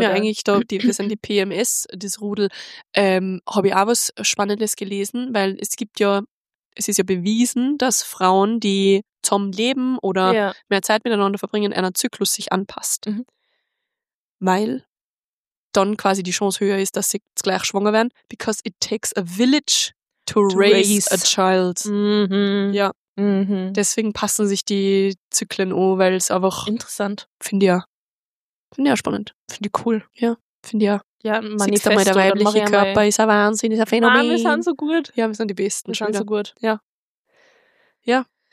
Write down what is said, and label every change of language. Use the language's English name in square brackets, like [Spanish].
[German] Wir haben ja eigentlich da, wir sind die PMS, das Rudel. Habe ich auch was Spannendes gelesen, weil es ist ja bewiesen, dass Frauen, die zum Leben oder mehr Zeit miteinander verbringen, einer Zyklus sich anpasst. Mhm. Weil dann quasi die Chance höher ist, dass sie gleich schwanger werden. [English] Because it takes a village to raise a child. Mhm. [German] Ja. Mhm. Deswegen passen sich die Zyklen an, weil es einfach... Interessant. Finde ich auch spannend. Finde ich cool. Ja, finde ich auch. Ja, Manifesto. Mal der weibliche Körper ist ein Wahnsinn, ist ein Phänomen. Wir sind so gut. Ja, wir sind die Besten. Wir sind so gut. Ja. Ja.